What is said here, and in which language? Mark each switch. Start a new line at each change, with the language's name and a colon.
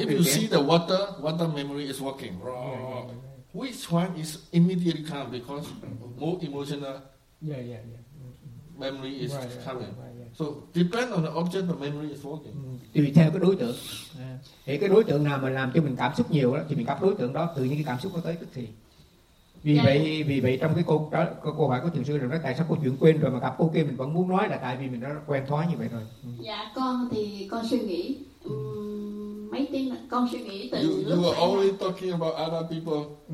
English: If you see the water memory is working. Which one is immediately come because more emotional? Yeah. Memory is coming. So depend on the object, the memory is working.
Vietnamese: Tùy theo cái đối tượng. Thì cái đối tượng nào mà làm cho mình cảm xúc nhiều đó, thì mình gặp đối tượng đó, tự nhiên cái cảm xúc nó tới tức thì. Vì vậy trong cái câu hỏi của thiền sư là nói tại sao cô chuyện quên rồi mà gặp cô kia mình vẫn muốn nói là tại vì mình đã quen thói như vậy rồi. Dạ con thì con suy nghĩ mấy tiếng con suy nghĩ từ
English: you were always talking about other people.